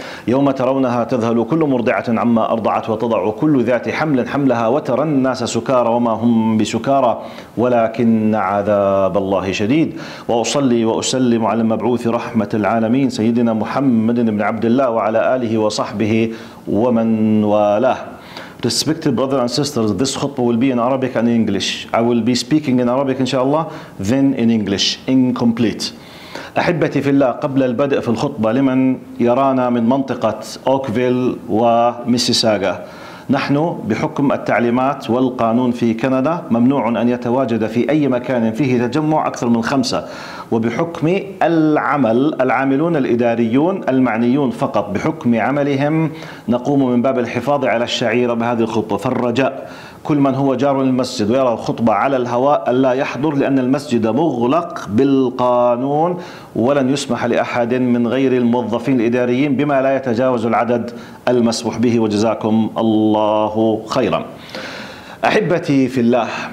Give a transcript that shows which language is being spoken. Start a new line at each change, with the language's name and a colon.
Arabic: يوم ترونها تذهل كل مرضعة عما أرضعت وتضع كل ذات حمل حملها وترى الناس سكارى وما هم بسكارى ولكن عذاب الله شديد وأصلي وأسلم على المبعوث رحمة العالمين سيدنا محمد بن عبد الله وعلى آله وصحبه ومن والاه.
English: Respected brothers and sisters, this khutbah will be in Arabic and English. I will be speaking in Arabic inshallah, then in English, incomplete.
Arabic: أحبتي في الله قبل البدء في الخطبة لمن يرانا من منطقة أوكفيل وميسيساغا نحن بحكم التعليمات والقانون في كندا ممنوع أن يتواجد في أي مكان فيه تجمع أكثر من 5 وبحكم العمل العاملون الإداريون المعنيون فقط بحكم عملهم نقوم من باب الحفاظ على الشعيرة بهذه الخطبة فالرجاء كل من هو جار للمسجد ويرى الخطبة على الهواء ألا يحضر لأن المسجد مغلق بالقانون ولن يسمح لأحد من غير الموظفين الإداريين بما لا يتجاوز العدد المسموح به وجزاكم الله خيرا أحبتي في الله